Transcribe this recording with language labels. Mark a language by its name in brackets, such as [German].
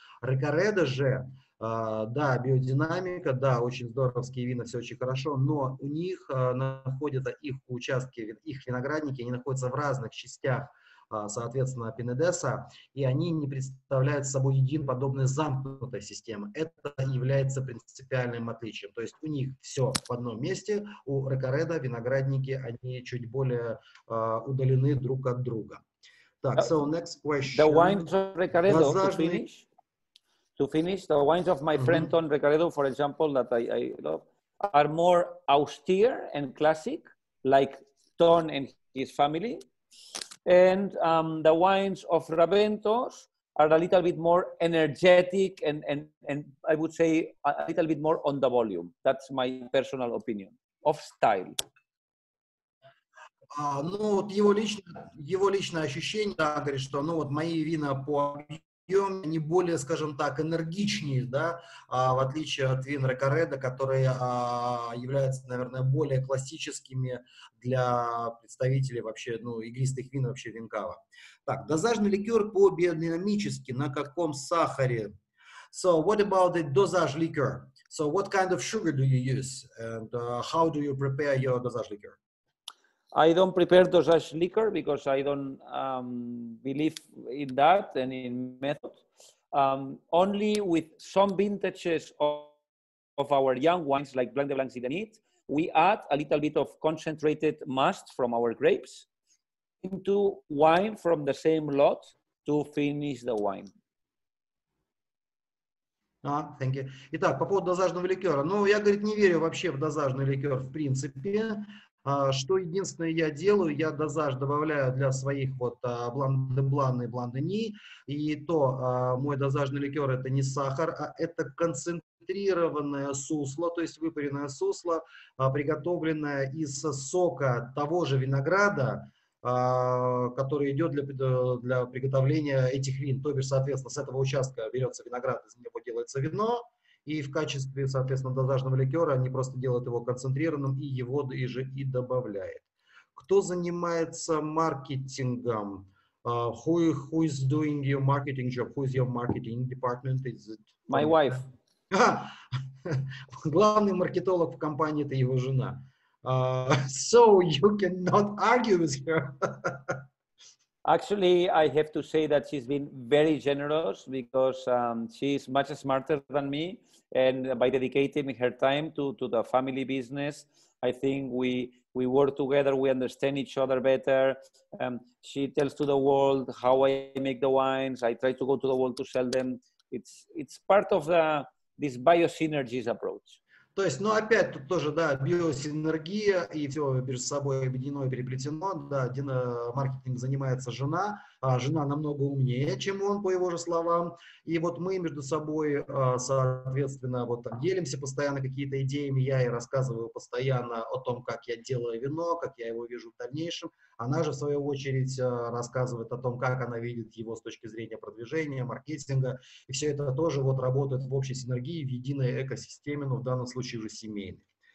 [Russian] Рикоредо же, да, биодинамика, да, очень здоровские вина, все очень хорошо, но у них находятся их участки, их виноградники, они находятся в разных частях, соответственно, Пинедеса, и они не представляют собой единой подобной замкнутой системы. Это является принципиальным отличием. То есть у них все в одном месте, у Рикоредо виноградники, они чуть более удалены друг от друга. [English] Так, so next question. The wines of Рикоредо, to finish, the wines of my friend Tom Рикоредо, for example, that I love, are more austere and classic, like Tom and his family. And the wines of Raventos are a little bit more energetic and I would say a little bit more on the volume. That's my personal opinion of style. [Russian] Ну, вот его личное ощущение, да, говорит, что, ну, вот мои вина по объему, они более, скажем так, энергичнее, да, в отличие от вин Рикоредо, которые являются, наверное, более классическими для представителей вообще, ну, игристых вин вообще винкава. Так, дозажный ликер по биодинамически, на каком сахаре? [English] So, what about the dosage liqueur? So, what kind of sugar do you use? And how do you prepare your dosage liqueur? I don't prepare dosage liquor because I don't believe in that and in method. Only with some vintages of our young wines, like Blanc de Blanc Zidanit, we add a little bit of concentrated must from our grapes into wine from the same lot to finish the wine. [Russian] А, [English] thank you. [Russian] Итак, по поводу дозажного ликера. Ну, я, говорит, не верю вообще в дозажный ликер в принципе. Что единственное я делаю, я дозаж добавляю для своих вот блан-де-блан и блан-де-ни, и то мой дозажный ликер – это не сахар, а это концентрированное сусло, то есть выпаренное сусло, приготовленное из сока того же винограда, который идет для приготовления этих вин. То бишь, соответственно, с этого участка берется виноград, из него делается вино, и в качестве, соответственно, дозажного ликера они просто делают его концентрированным и его и добавляют. Кто занимается маркетингом? [English] Who is doing your marketing job? Who is your marketing department? Is it my wife? [Russian] Главный маркетолог в компании – это его жена. [English] So you cannot argue with her. Actually, I have to say that she's been very generous because she's much smarter than me. And by dedicating her time to the family business, I think we work together, we understand each other better. She tells to the world how I make the wines. I try to go to the world to sell them. It's part of this biosynergies approach. [Russian] То есть, ну, опять тут тоже, да, биосинергия, и все между собой объединено и переплетено, да, маркетинг занимается жена, а жена намного умнее, чем он, по его же словам, и вот мы между собой, соответственно, вот там делимся постоянно какими-то идеями, я ей рассказываю постоянно о том, как я делаю вино, как я его вижу в дальнейшем, она же, в свою очередь, рассказывает о том, как она видит его с точки зрения продвижения, маркетинга, и все это тоже вот работает в общей синергии, в единой экосистеме, но в данном случае уже семейной.